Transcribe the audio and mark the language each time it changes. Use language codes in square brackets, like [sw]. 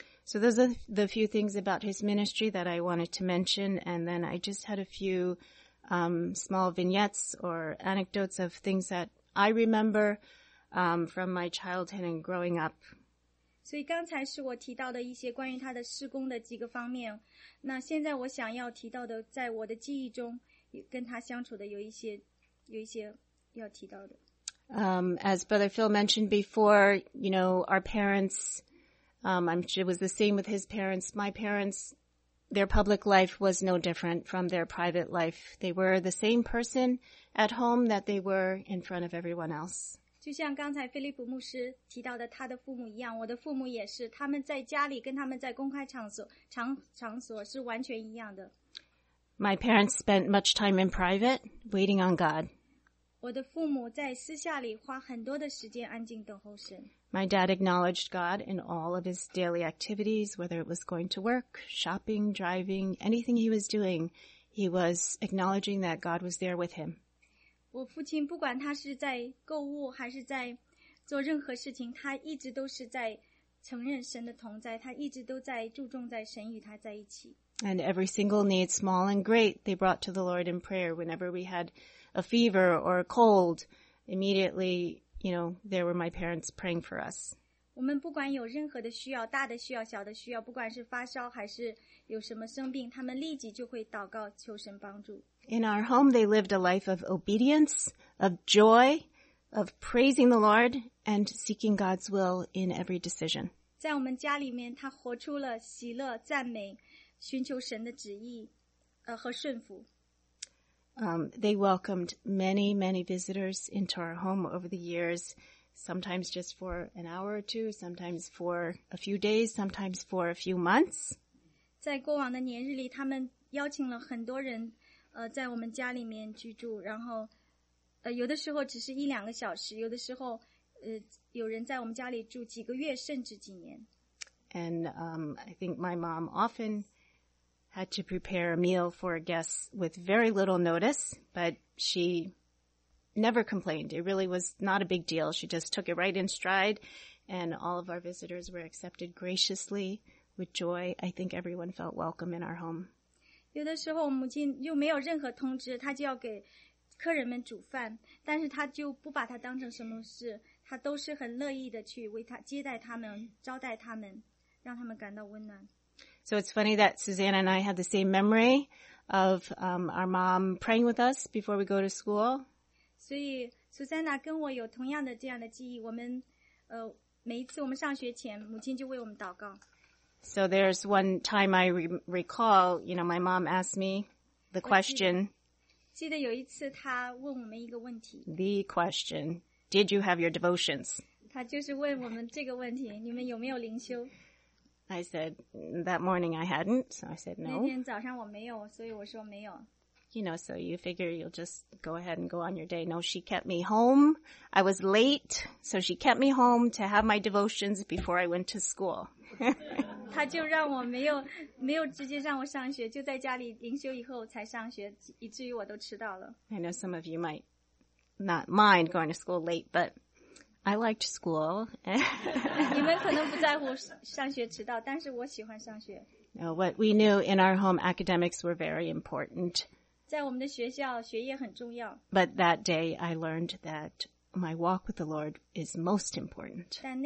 [en] So those are the few things about his ministry that I wanted to mention, and then I just had a few small vignettes or anecdotes of things that I remember from my childhood and growing up. [zh] 所以刚才是我提到的一些关于他的事工的几个方面，那现在我想要提到的，在我的记忆中跟他相处的有一些要提到的。 [en] As Brother Phil mentioned before, you know, our parents... it was the same with his parents. My parents, their public life was no different from their private life. They were the same person at home that they were in front of everyone else. [zh] 就像刚才菲利普牧师提到的他的父母一样，我的父母也是，他们在家里跟他们在公开场所是完全一样的。 [en] My parents spent much time in private, waiting on God. [zh] 我的父母在私下里花很多的时间安静等候神。 [en] My dad acknowledged God in all of his daily activities, whether it was going to work, shopping, driving, anything he was doing, he was acknowledging that God was there with him. [zh] 我父亲不管他是在购物还是在做任何事情，他一直都是在承认神的同在，他一直都在注重在神与他在一起。 [en] And every single need, small and great, they brought to the Lord in prayer whenever we had a fever or a cold, immediately... You know, there were my parents praying for us. [zh] 我们不管有任何的需要，大的需要、小的需要，不管是发烧还是有什么生病，他们立即就会祷告求神帮助。 [en] In our home, they lived a life of obedience, of joy, of praising the Lord, and seeking God's will in every decision. [zh] 在我们家里面，他活出了喜乐、赞美、寻求神的旨意，和顺服。 [en] They welcomed many, many visitors into our home over the years, sometimes just for an hour or two, sometimes for a few days, sometimes for a few months. [zh] 在过往的年日里，他们邀请了很多人，在我们家里面居住，然后，有的时候只是一两个小时，有的时候，有人在我们家里住几个月，甚至几年。 [en] And, I think my mom often... had to prepare a meal for guests with very little notice, but she never complained. It really was not a big deal. She just took it right in stride, and all of our visitors were accepted graciously with joy. I think everyone felt welcome in our home. [zh] 有的时候母亲又没有任何通知，她就要给客人们煮饭，但是她就不把它当成什么事，她都是很乐意的去为她接待他们，招待他们，让他们感到温暖。 [en] So it's funny that Susanna and I have the same memory of our mom praying with us before we go to school. [zh] 所以 Susanna 跟我有同样的这样的记忆，我们每一次我们上学前，母亲就为我们祷告。 [en] So there's one time I recall, you know, my mom asked me the question. [zh] 记得有一次她问我们一个问题。 [en] The question, did you have your devotions? [zh] 她就是问我们这个问题，你们有没有灵修？ [en] I said, that morning I hadn't, so I said no. [zh] 那天早上我没有，所以我说没有。 [en] you know, so you figure you'll just go ahead and go on your day. No, she kept me home. I was late, so she kept me home to have my devotions before I went to school. [zh] 她就让我没有直接让我上学, 就在家里灵修以后才上学, 以至于我都迟到了。 [en] I know some of you might not mind going to school late, but I liked school. [zh] 你们可能不在乎上学迟到, 但是我喜欢上学。 [en] Now, what we knew in our home, academics were very important. [zh] 在我们的学校, [en] but that day, I learned that my walk with the Lord is most important.